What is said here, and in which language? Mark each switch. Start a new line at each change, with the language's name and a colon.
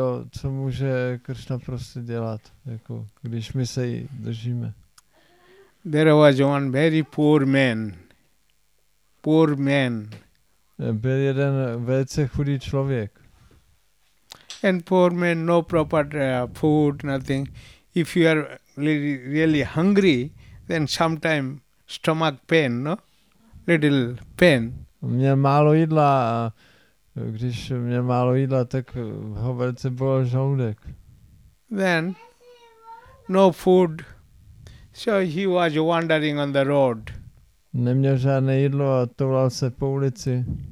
Czech: Co může Krishna prostě dělat, jako, když my se jí držíme?
English: There was one very poor man. Poor man.
Czech: Byl jeden velice chudý člověk.
English: And poor man, no proper food, nothing. If you are really, really hungry, then sometime stomach pain, no? Little pain.
Czech: Měl málo jídla a když měl málo jídla, tak ho velice bolel žaludek.
English: Then, no food. So he was wandering on the road.
Czech: Neměl žádné jídlo a toulal se po ulici.